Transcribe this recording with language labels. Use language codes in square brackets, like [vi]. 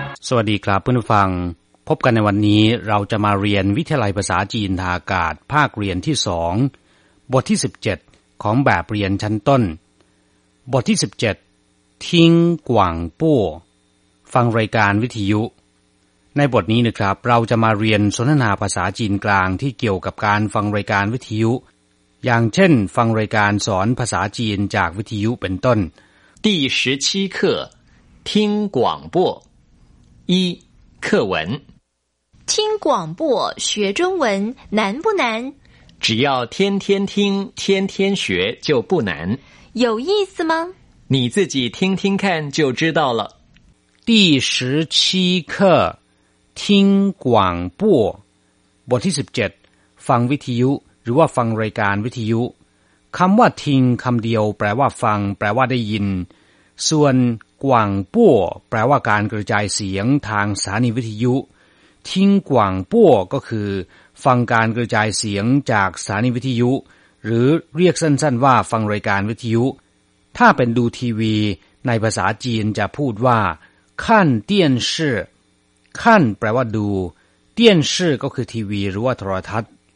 [th] สวัสดีครับเพื่อนผู้ฟังพบกันในวันนี้เราจะมาเรียนวิทยาลัยภาษาจีนทากาศภาคเรียนที่2บทที่17ของแบบเรียนชั้นต้นบทที่17ทิงกวางปู้ฟังรายการวิทยุในบทนี้นะครับเราจะมาเรียนสนทนาภาษาจีนกลางที่เกี่ยวกับการฟังรายการวิทยุอย่างเช่นฟังรายการสอนภาษาจีนจากวิทยุเป็นต้น [zh] 第十七课听广播一课文听广播学中文难不难？只要天天听，天天学就不难。有意思吗？你自己听听看就知道了。第十七课，听广播。 [th] บทที่สิบเจ็ดฟังวิทยุหรือว่าฟังรายการวิทยุคำว่าทิ้งคำเดียวแปลว่าฟังแปลว่าได้ยิน ส่วนกว่างปั่วแปลว่าการกระจายเสียงทางสถานีวิทยุทิ้งกว่างปั่วก็คือฟังการกระจายเสียงจากสถานีวิทยุหรือเรียกสั้นๆว่าฟังรายการวิทยุถ้าเป็นดูทีวีในภาษาจีนจะพูดว่าขั้นเตี้ยนชื่อขั้นแปลว่าดูเตี้ยนชื่อก็คือทีวีหรือว่าโทรทัศน์